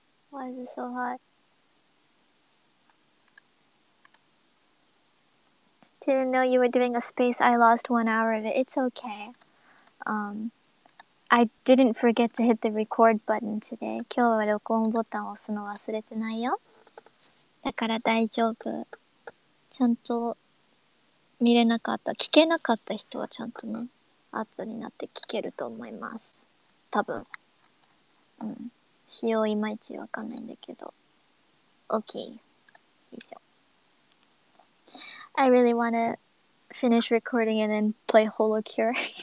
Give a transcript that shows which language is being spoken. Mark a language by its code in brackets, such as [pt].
[en] Why is it so hot? Didn't know you were doing a space. I lost 1 hour of it. It's okay. I didn't forget to hit the record button today. [ja] 今日は録音ボタンを押すの忘れてないよ。だから大丈夫。ちゃんと見れなかった。聞けなかった人はちゃんとね、後になって聞けると思います。多分。仕様いまいちわかんないんだけど。 OK。 よいしょ。 [en] I really want to finish recording and then play Holocure.